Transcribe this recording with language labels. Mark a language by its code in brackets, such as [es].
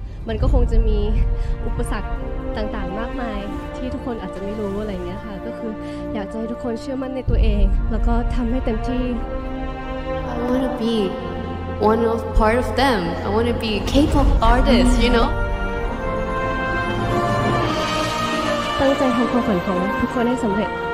[th] มันก็คงจะมีอุปสรรคต่างๆมากมายที่ทุกคนอาจจะไม่รู้อะไรเงี้ยค่ะก็คืออยากจะให้ทุกคนเชื่อมั่นในตัวเองแล้วก็ทำให้เต็มที่ [en] I want to be one of part of them. I want to be K-pop artist, you know? [th] ตั้งใจทำความฝันของทุกคนให้สำเร็จ